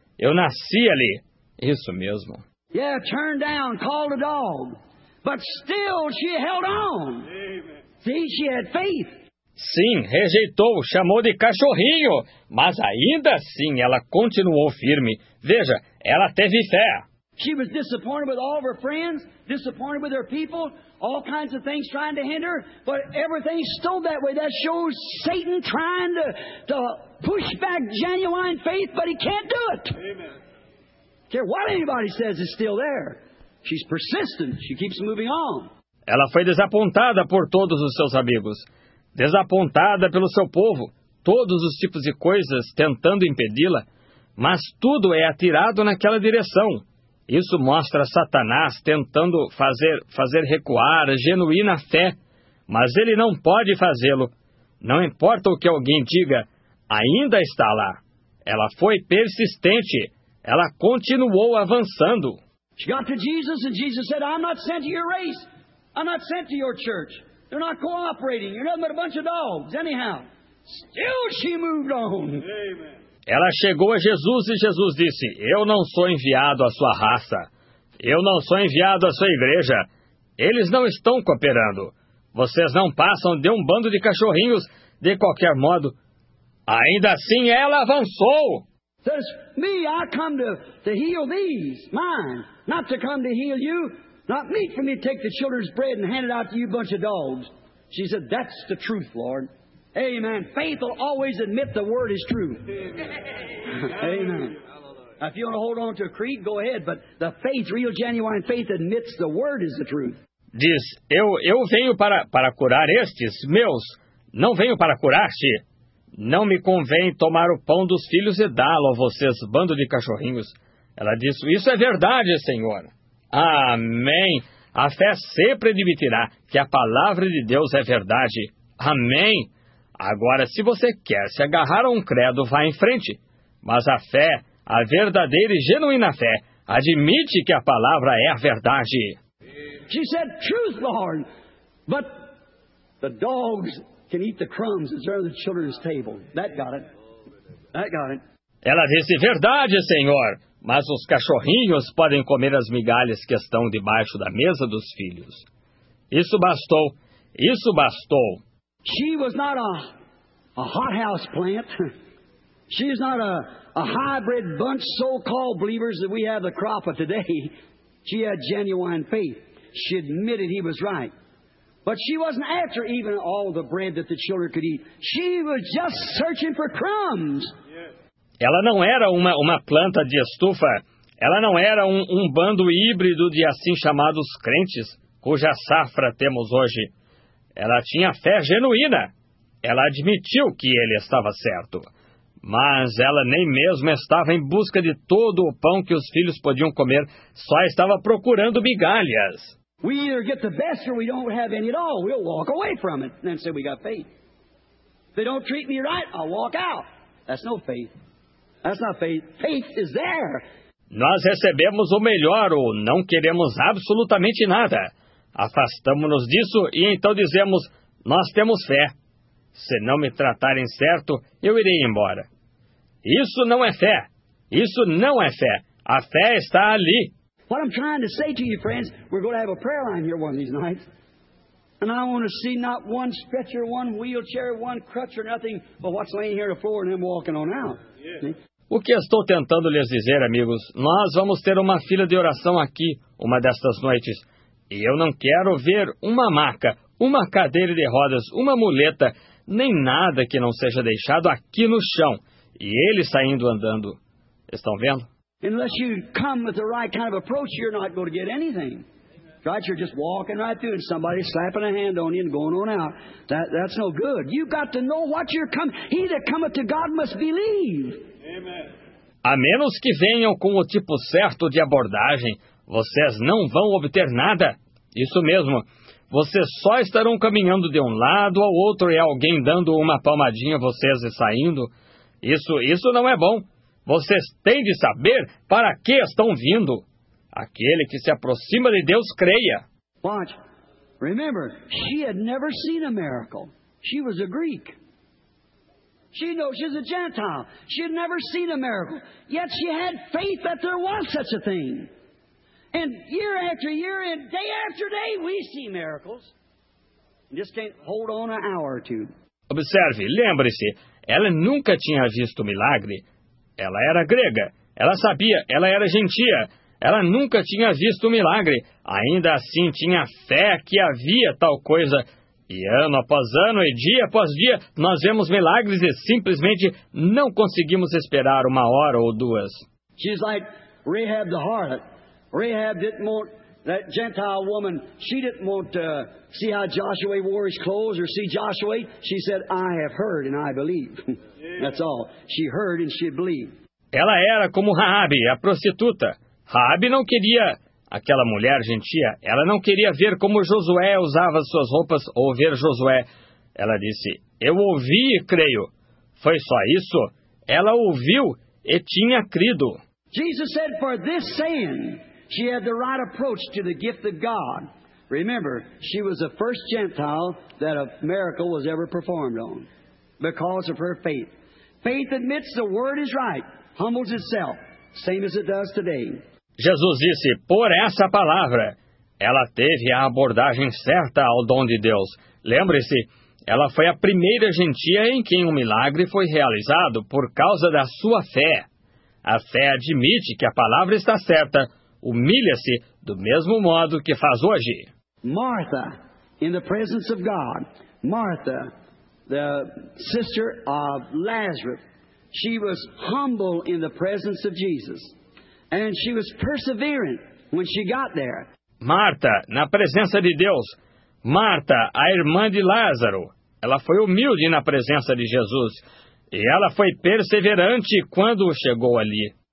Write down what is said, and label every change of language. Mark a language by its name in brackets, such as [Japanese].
[Portuguese] Eu nasci ali. Isso mesmo. [English] Yeah, turned down, called a dog. But still she held on. See, she had faith. [Portuguese] Sim, rejeitou, chamou de cachorrinho. Mas ainda assim, ela continuou firme. Veja, ela teve fé. [English] She was disappointed with all of her friends, disappointed with her people, all kinds of things trying to hinder. But everything stood that way. That shows Satan trying to push back genuine faith, but he can't do it. Amen. What anybody says is still there. She's persistent. She keeps moving on. [Portuguese] Ela foi desapontada por todos os seus amigos, desapontada pelo seu povo, todos os tipos de coisas tentando impedi-la, mas tudo é atirado naquela direção. Isso mostra Satanás tentando fazer recuar a genuína fé, mas ele não pode fazê-lo. Não importa o que alguém diga, ainda está lá. Ela foi persistente. Ela continuou avançando. [English] She got to Jesus and Jesus said, I'm not sent to your race. I'm not sent to your church. They're not cooperating. You're nothing but a bunch of dogs, anyhow. Still she moved on. Amen. [Portuguese] Ela chegou a Jesus e Jesus disse, eu não sou enviado à sua raça. Eu não sou enviado à sua igreja. Eles não estão cooperando. Vocês não passam de um bando de cachorrinhos de qualquer modo. Ainda assim, ela avançou. [English] Says me, I come to heal these, mine, not to come to heal you, not me for me to take the children's bread and hand it out to you bunch of dogs. She said, that's the truth, Lord. Amen. Faith will always admit the word is true. Amen. Now, if you want to hold on to a creed, go ahead, but the faith, real genuine faith, admits the word is the truth. [Portuguese] Diz, eu venho para curar estes meus, não venho para curar-te. Não me convém tomar o pão dos filhos e dá-lo a vocês, bando de cachorrinhos. Ela disse, isso é verdade, Senhor. Amém. A fé sempre admitirá que a palavra de Deus é verdade. Amém. Agora, se você quer se agarrar a um credo, vá em frente. Mas a fé, a verdadeira e genuína fé, admite que a palavra é a verdade. [English] She said, truth, Lord. But the dogs can eat the crumbs that's on the children's table. That got it. That got it. [Portuguese] Ela disse, verdade, Senhor, mas os cachorrinhos podem comer as migalhas que estão debaixo da mesa dos filhos. Isso bastou. Isso bastou. [English] She was not a hothouse plant. She is not a hybrid bunch so-called believers that we have the crop of today. She had genuine faith. She admitted he was right. But she wasn't after even all the bread that the children could eat. She was just searching for crumbs. [Portuguese] Ela não era uma planta de estufa. Ela não era um bando híbrido de assim chamados crentes, cuja safra temos hoje. Ela tinha fé genuína. Ela admitiu que ele estava certo. Mas ela nem mesmo estava em busca de todo o pão que os filhos podiam comer. Só estava procurando migalhas. [English] We either get the best or we don't have any at all. We'll walk away from it and then say we got faith. If they don't treat me right, I'll walk out. That's no faith. That's not faith. Faith is there. [Portuguese] Nós recebemos o melhor ou não queremos absolutamente nada. Afastamos-nos disso e então dizemos, Nós temos fé. Se não me tratarem certo, eu irei embora. Isso não é fé. Isso não é fé. A fé está ali. [English] What I'm trying to say to you, friends, we're going to have a prayer line here one of these nights. And I want to see not one stretcher, one wheelchair, one crutch or nothing, but what's laying here on the floor and him walking on out. [Portuguese] O que estou tentando lhes dizer, amigos, nós vamos ter uma fila de oração aqui, uma destas noites. E eu não quero ver uma maca, uma cadeira de rodas, uma muleta, nem nada que não seja deixado aqui no chão. E ele saindo andando. Estão vendo? [English] Unless you come with the right kind of approach, you're not going to get anything. Right? You're just walking right through and somebody slapping a hand on you and going on out. That's no good. You've got to know what you're coming. He that cometh to God must believe. [Portuguese] A menos que venham com o tipo certo de abordagem, vocês não vão obter nada. Isso mesmo. Vocês só estarão caminhando de um lado ao outro e alguém dando uma palmadinha a vocês e saindo. Isso não é bom. Vocês têm de saber para que estão vindo. Aquele que se aproxima de Deus, creia. [English] Watch. Remember, she had never seen a miracle. She was a Greek. She knows she's a Gentile. She had never seen a miracle. Yet she had faith that there was such a thing. And year after year and day after day, we see miracles. And just can't hold on an hour or two. [Portuguese] Observe, lembre-se, ela nunca tinha visto milagre. Ela era grega. Ela sabia, ela era gentia. Ela nunca tinha visto milagre. Ainda assim, tinha fé que havia tal coisa. E ano após ano e dia após dia, nós vemos milagres e simplesmente não conseguimos esperar uma hora ou duas. [English] She's like Rahab the harlot. Rahab didn't want that Gentile woman. She didn't want to see how Joshua wore his clothes or see Joshua. She said, I have heard and I believe. That's all. She heard and she believed. [Portuguese] Ela era como Rahab, a prostituta. Rahab não queria... Aquela mulher gentia, ela não queria ver como Josué usava suas roupas ou ver Josué. Ela disse, eu ouvi e creio. Foi só isso. Ela ouviu e tinha crido. [English] Jesus said, for this saying, she had the right approach to the gift of God. Remember, she was the first Gentile that a miracle was ever performed on because of her faith. Faith admits the word is right, humbles itself, same as it does today. [Portuguese] Jesus disse, por essa palavra, ela teve a abordagem certa ao dom de Deus. Lembre-se, ela foi a primeira gentia em quem um milagre foi realizado por causa da sua fé. A fé admite que a palavra está certa, humilha-se do mesmo modo que faz hoje. [English] Martha, in the presence of God, Martha, the sister of Lazarus, she was humble in the presence of Jesus. And she was perseverant when she got there. [Portuguese] Marta, na presença de Deus. Marta, a irmã de Lázaro. Ela foi humilde na presença de Jesus. E ela foi perseverante quando chegou ali.